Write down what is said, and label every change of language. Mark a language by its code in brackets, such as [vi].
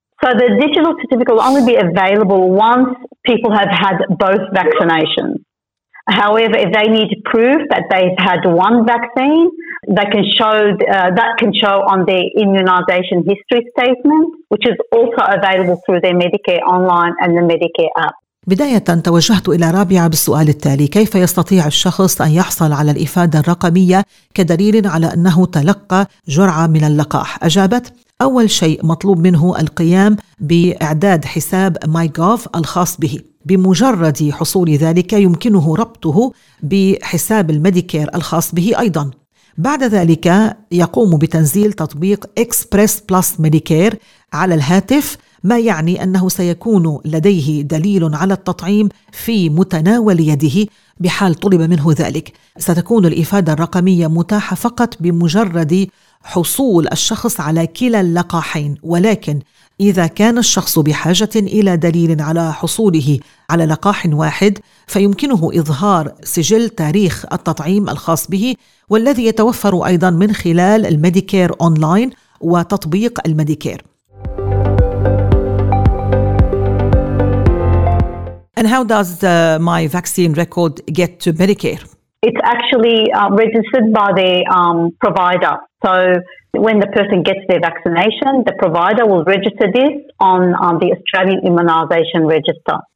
[en] So the digital certificate will only be available once people have had both vaccinations. However, if they need proof that they've had one vaccine, they can show that can show on their immunization history statement, which is also available through their Medicare online and the Medicare app. [ar] بداية توجهت إلى رابعة بالسؤال التالي: كيف يستطيع الشخص أن يحصل على الإفادة الرقمية كدليل على أنه تلقى جرعة من اللقاح؟ أجابت: أول شيء مطلوب منه القيام بإعداد حساب MyGov الخاص به. بمجرد حصول ذلك يمكنه ربطه بحساب الميديكير الخاص به أيضا. بعد ذلك يقوم بتنزيل تطبيق Express Plus Medicare على الهاتف، ما يعني أنه سيكون لديه دليل على التطعيم في متناول يده بحال طلب منه ذلك. ستكون الإفادة الرقمية متاحة فقط بمجرد حصول الشخص على كلا اللقاحين، ولكن إذا كان الشخص بحاجة إلى دليل على حصوله على لقاح واحد، فيمكنه إظهار سجل تاريخ التطعيم الخاص به، والذي يتوفر أيضا من خلال الميديكير أونلاين وتطبيق الميديكير. [en] And how does my vaccine record get to Medicare? It's actually registered by the provider. So when the person gets their vaccination, the provider will register this on the Australian Immunisation Register.